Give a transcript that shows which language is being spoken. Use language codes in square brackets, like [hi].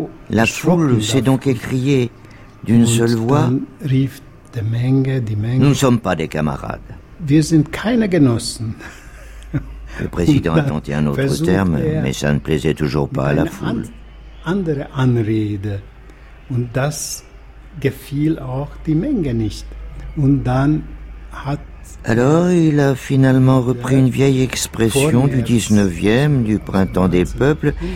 [fr] La foule s'est donc écriée d'une seule voix Nous ne sommes pas des camarades. [de] Wir sind keine Genossen. [fr] Le président a tenté un autre terme, mais ça ne plaisait toujours pas à la foule. [de] Andere Anrede. Und das gefiel auch die Menge nicht. Und dann hat [fr] Alors, il a finalement repris une vieille expression du 19e, du printemps des peuples.